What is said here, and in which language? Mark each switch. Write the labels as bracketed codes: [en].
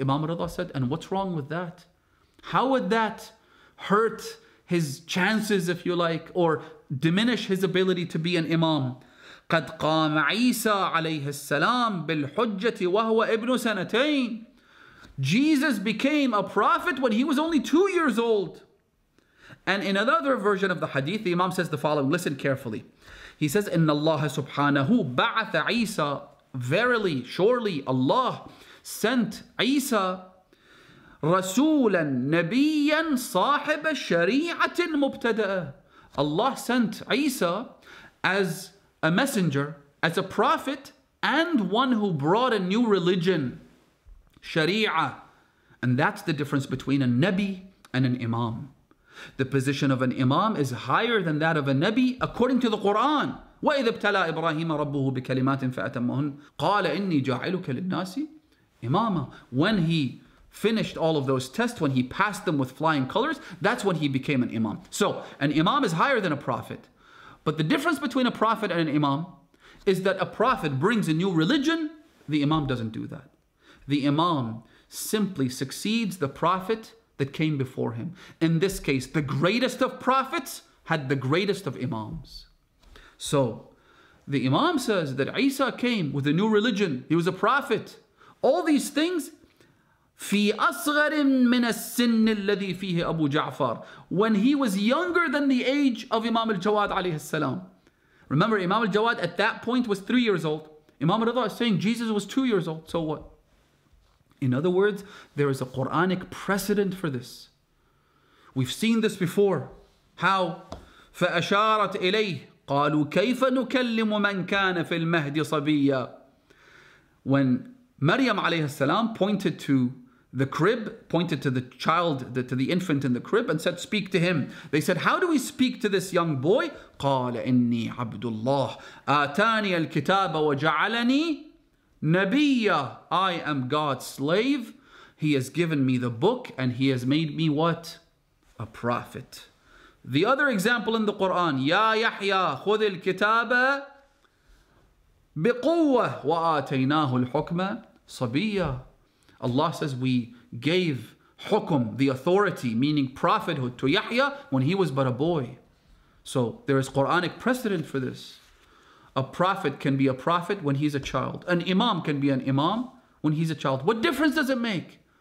[en] Imam Rida said, and what's wrong with that? How would that hurt his chances, if you like, or diminish his ability to be an Imam? [ar] قَدْ قَامَ عِيسَى عَلَيْهِ السَّلَامُ بِالْحُجَّةِ وَهُوَ إِبْنُ سَنَتَيْنِ. [en] Jesus became a prophet when he was only 2 years old. And in another version of the hadith, the Imam says the following, listen carefully. He says, [ar] إِنَّ اللَّهَ سُبْحَانَهُ بَعَثَ عِيسَى. [en] Verily, surely, Allah sent Isa [ar] رَسُولًا نَبِيًّا صَاحِبَ شَرِيعَةٍ مُبْتَدَأً. [en] Allah sent Isa as a messenger, as a prophet, and one who brought a new religion, Sharia. And that's the difference between a Nabi and an Imam. The position of an Imam is higher than that of a Nabi according to the Quran. [ar] وَإِذَا ابْتَلَى إِبْرَاهِيمَ رَبُّهُ بِكَلِمَاتٍ فَأَتَمَّهُنَّ قَالَ إِنِّي جَاعِلُكَ لِلنَّاسِ إِمَامًا. [en] When he finished all of those tests, when he passed them with flying colors, that's when he became an imam. So an imam is higher than a prophet. But the difference between a prophet and an imam is that a prophet brings a new religion. The imam doesn't do that. The imam simply succeeds the prophet that came before him. In this case, the greatest of prophets had the greatest of imams. So the imam says that Isa came with a new religion. He was a prophet. All these things, [ar] في أصغر من السن الذي فيه أبو جعفر, [en] when he was younger than the age of Imam al-Jawad alayhi salam. Remember, Imam al-Jawad at that point was 3 years old. Imam Rida is saying Jesus was 2 years old. So what? In other words, there is a Quranic precedent for this. We've seen this before. How? [ar] فأشارت إليه قالوا كيف نكلم من كان في المهدي صبيا. [en] When Maryam alayhi salam pointed to the crib, pointed to the child, to the infant in the crib, and said, speak to him. They said, how do we speak to this young boy? [ar] قال إني عبد الله آتاني الكتاب وجعلني نبيا. [en] I am God's slave. He has given me the book and he has made me what? A prophet. The other example in the Quran, [ar] يا يحيى خذ الكتاب بقوة وآتيناه الحكم صبيا. [en] Allah says we gave hukum, the authority, meaning prophethood, to Yahya when he was but a boy. So there is Quranic precedent for this. A prophet can be a prophet when he's a child. An imam can be an imam when he's a child. What difference does it make?